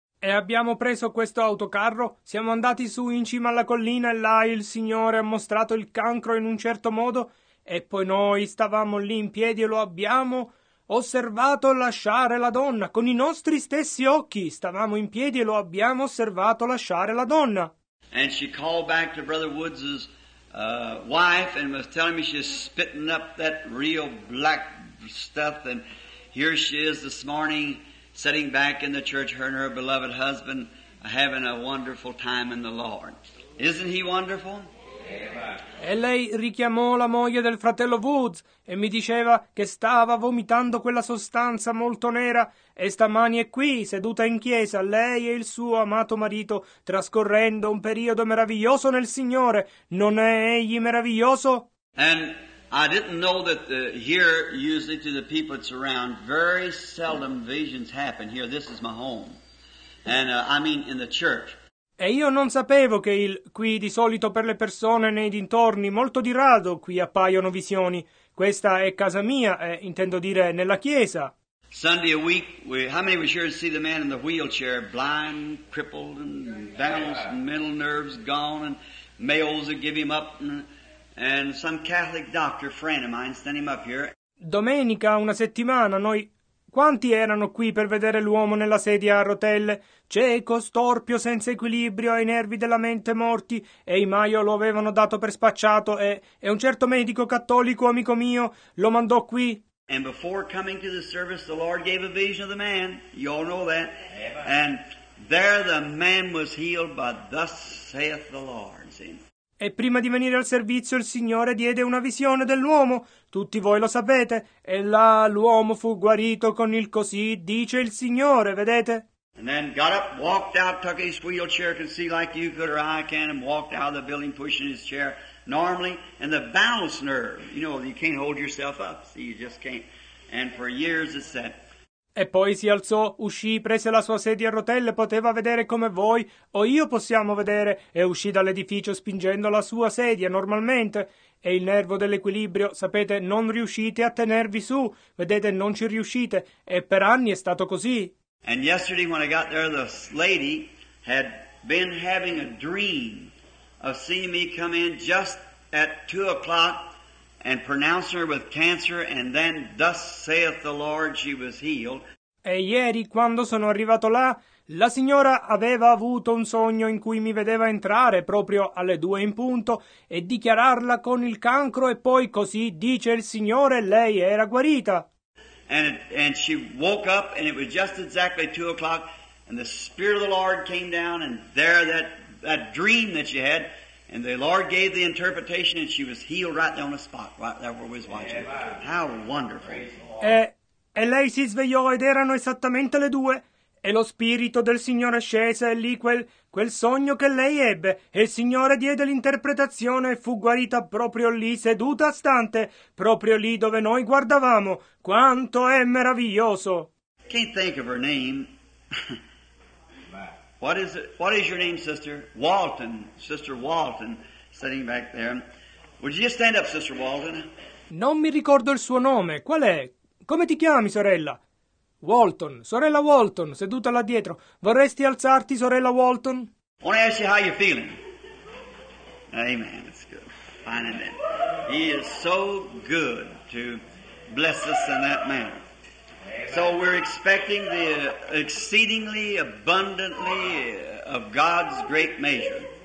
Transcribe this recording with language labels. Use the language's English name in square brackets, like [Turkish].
[Italian] E abbiamo preso questo autocarro, siamo andati su in cima alla collina, e là il Signore ha mostrato il cancro in un certo modo, e poi noi stavamo lì in piedi e lo abbiamo osservato lasciare la donna con i nostri stessi occhi. Stavamo in piedi e lo abbiamo osservato lasciare la donna. [English] And she called back to Brother Woods's wife and was telling me she's spitting up that real black stuff, and here she is this morning sitting back in the church, her and her beloved husband having a wonderful time in the Lord. Isn't he wonderful? [Italian] E lei richiamò la moglie del fratello Woods e mi diceva che stava vomitando quella sostanza molto nera, e stamani è qui seduta in chiesa, lei e il suo amato marito, trascorrendo un periodo meraviglioso nel Signore. Non è egli meraviglioso? [English] And I didn't know that here, usually to the people that's around, very seldom visions happen here. This is my home, and I mean in the church. [Italian] E io non sapevo che qui di solito per le persone nei dintorni molto di rado qui appaiono visioni. Questa è casa mia, intendo dire nella chiesa. [English] Sunday a week, how many were sure to see the man in the wheelchair, blind, crippled, and balanced, mental nerves gone, and males would give him up, and some Catholic doctor friend of mine sent him up here. [Italian] Domenica, una settimana, noi... Quanti erano qui per vedere l'uomo nella sedia a rotelle? Cieco, storpio, senza equilibrio, ai nervi della mente morti, e i Maio lo avevano dato per spacciato, e un certo medico cattolico, amico mio, lo mandò qui. [English] And before coming to the service, the Lord gave a vision of the man, you all know that, and there the man was healed, but thus saith the Lord, see? [Italian] E prima di venire al servizio il Signore diede una visione dell'uomo, tutti voi lo sapete, e là l'uomo fu guarito con il così dice il Signore, vedete? [English] And then got up, walked out, took his wheelchair, could see like you could or I can, and walked out of the building pushing his chair normally, and the balance nerve, you know, you can't hold yourself up, see, you just can't, and for years it's that. [Italian] E poi si alzò, uscì, prese la sua sedia a rotelle, poteva vedere come voi o io possiamo vedere, e uscì dall'edificio spingendo la sua sedia normalmente. E il nervo dell'equilibrio, sapete, non riuscite a tenervi su, vedete, non ci riuscite, e per anni è stato così. [English] And yesterday when I got there, the lady had been having a dream of seeing me come in just at 2 o'clock. And pronounced her with cancer, and then, thus saith the Lord, she was healed. [Italian] E ieri, quando sono arrivato là, la signora aveva avuto un sogno in cui mi vedeva entrare proprio alle 2 in punto e dichiararla con il cancro, e poi così dice il Signore, lei era guarita. [English] And she woke up, and it was just exactly 2 o'clock, and the Spirit of the Lord came down, and there that dream that she had. And the Lord gave the interpretation and she was healed right there on the spot, right there where we was watching. How wonderful. [Italian] E lei si svegliò ed erano esattamente le 2. E lo Spirito del Signore scese e lì quel sogno che lei ebbe. E il Signore diede l'interpretazione e fu guarita proprio lì, seduta a stante, proprio lì dove noi guardavamo. Quanto è meraviglioso! [English] Can't think of her name. What is your name, Sister Walton? Sister Walton, sitting back there. Would you stand up, Sister Walton? [Italian] Non mi ricordo il suo nome. Qual è? Come ti chiami, sorella? Walton, sorella Walton, seduta là dietro. Vorresti alzarti, sorella Walton? [English] I want to ask you how you're feeling. Amen. It's good. Fine and then. He is so good to bless us in that manner. So we're expecting the exceedingly abundantly of God's great measure.